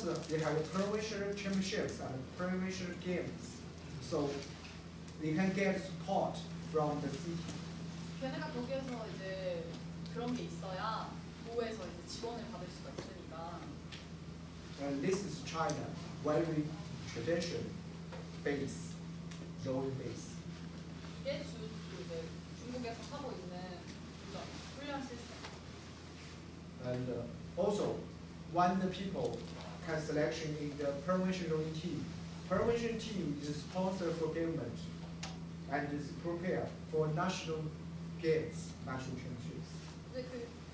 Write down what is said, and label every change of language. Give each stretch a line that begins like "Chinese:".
English: They have provincial championships and provincial games, so they can get support from the city.
Korean: 걔네가 거기에서 이제 그런 게 있어야 도에서 이제 지원을 받을 수가 있어요.
English: And this is China, very tradition base, zone base.
Korean: 이게 중국에서 하고 있는 훈련 시스템.
English: And also, when the people have selection in the provisional team, provisional team is sponsored for government and is prepared for national games, national championships.